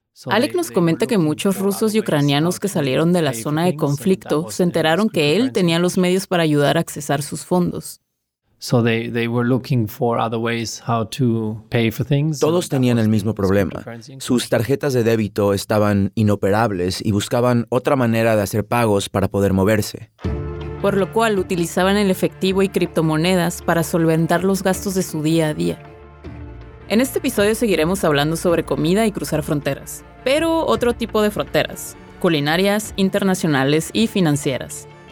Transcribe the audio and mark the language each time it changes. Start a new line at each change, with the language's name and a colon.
Spanish: Alec nos comenta que muchos rusos y ucranianos que salieron de la zona de conflicto se enteraron que él tenía los medios para ayudar a accesar sus fondos.
English: So they were looking for other ways how to pay for things.
Spanish: Todos tenían el mismo problema. Sus tarjetas de débito estaban inoperables y buscaban otra manera de hacer pagos para poder moverse. Por lo cual utilizaban el efectivo y criptomonedas para solventar los gastos de su día a día. En este episodio seguiremos hablando sobre comida y cruzar fronteras, pero otro tipo de fronteras: culinarias, internacionales y financieras.